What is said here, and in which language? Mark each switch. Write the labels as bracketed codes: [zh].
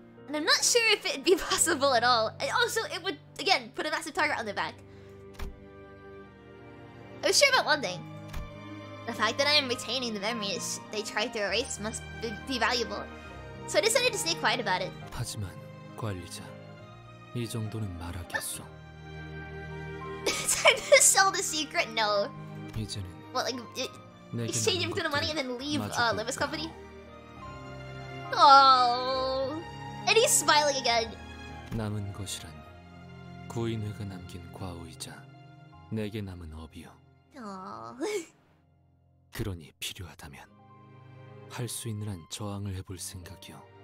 [en] And I'm not sure if it'd be possible at all. And also, it would, again, put a massive target on their back. I was sure about one thing. The fact that I am retaining the memories they tried to erase must be valuable. So I decided to stay quiet about it. [ko] 하지만, 관리자, 이 정도는 말하겠소. [en] Time to sell the secret? No. [ko] 이제는 [en] what, like, exchange him for the money and then leave Limbus Company? Oh, and he's smiling again. [ko] 남은 것이란 구인회가 남긴 과오이자 내게 남은 업이요. [en] Oh. [ko] 그러니 필요하다면 할 수 있는 한 저항을 해볼 생각이요.